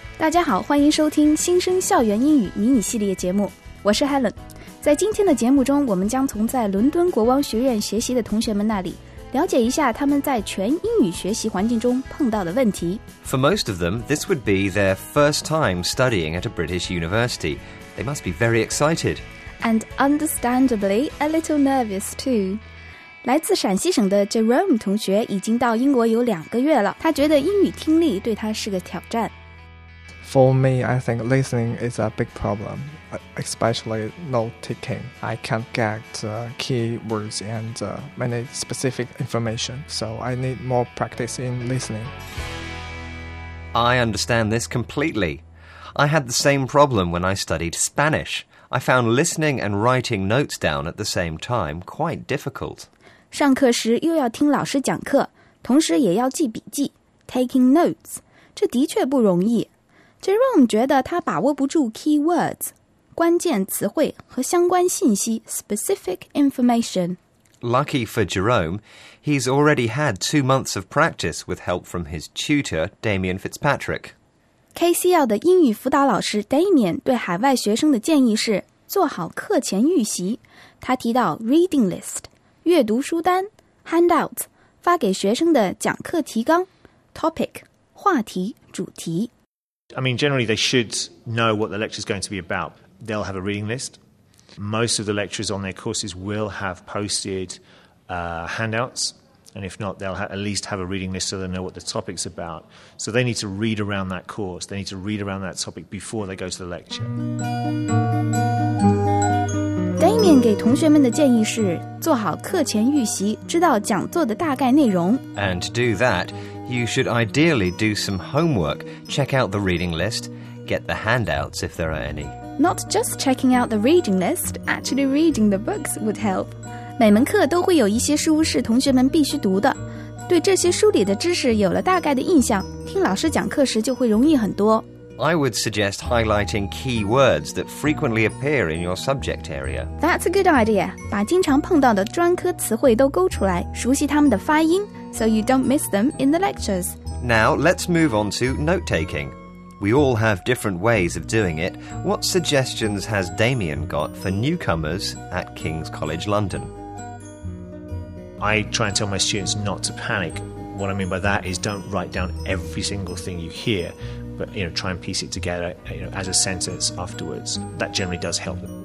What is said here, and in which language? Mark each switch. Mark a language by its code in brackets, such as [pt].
[zh] 大家好，欢迎收听新生校园英语迷你系列节目。我是 Helen。在今天的节目中，我们将从在伦敦国王学院学习的同学们那里了解一下他们在全英语学习环境中碰到的问题。 [en] For most of them, this would be their first time studying at a British university. They must be very excited. And understandably, a little nervous too. [zh] 来自陕西省的 Jerome 同学已经到英国有两个月了，他觉得英语听力对他是个挑战。 [en] For me, I think listening is a big problem, especially note-taking. I can't get keywords and many specific information, so I need more practice in listening. I understand this completely. I had the same problem when I studied Spanish. I found listening and writing notes down at the same time quite difficult. [zh] 上课时又要听老师讲课，同时也要记笔记 [en] taking notes. [zh] 这的确不容易。 Jerome 觉得他把握不住 keywords, 关键词汇和相关信息 [en] specific information. Lucky for Jerome, he's already had 2 months of practice with help from his tutor, Damien Fitzpatrick. [zh] KCL 的英语辅导老师 Damien 对海外学生的建议是做好课前预习。他提到 reading list, 阅读书单 handouts, 发给学生的讲课提纲 topic, 话题主题。 [en] I mean, generally, they should know what the lecture is going to be about. They'll have a reading list. Most of the lecturers on their courses will have posted handouts. And if not, they'll at least have a reading list so they know what the topic's about. So they need to read around that course. They need to read around that topic before they go to the lecture. [zh] Damien 给同学们的建议是做好课前预习，知道讲座的大概内容。 [en] And to do that... You should ideally do some homework, check out the reading list, get the handouts if there are any. Not just checking out the reading list, actually reading the books would help. [zh] 每门课都会有一些书是同学们必须读的。对这些书里的知识有了大概的印象，听老师讲课时就会容易很多。 [en] I would suggest highlighting key words that frequently appear in your subject area. That's a good idea. [zh] 把经常碰到的专科词汇都勾出来，熟悉他们的发音。 [en] So you don't miss them in the lectures. Now, let's move on to note-taking. We all have different ways of doing it. What suggestions has Damien got for newcomers at King's College London? I try and tell my students not to panic. What I mean by that is don't write down every single thing you hear, but you know, try and piece it together you know, as a sentence afterwards. That generally does help.